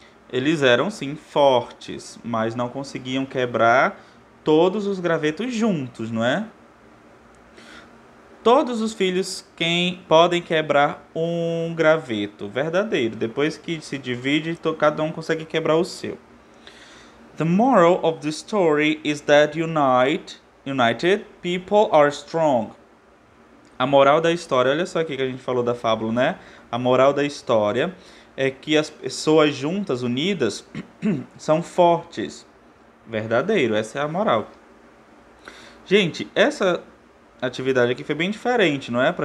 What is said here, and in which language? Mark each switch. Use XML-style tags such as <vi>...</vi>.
<pt>Eles eram sim fortes, mas não conseguiam quebrar todos os gravetos juntos, não é? Todos os filhos quem podem quebrar um graveto verdadeiro. Depois que se divide, cada um consegue quebrar o seu.</pt> <en>The moral of the story is that united people are strong.</en> <pt>A moral da história, olha só aqui que a gente falou da fábula, né? A moral da história é que as pessoas juntas, unidas, são fortes. Verdadeiro, essa é a moral. Gente, essa atividade aqui foi bem diferente, não é?</pt>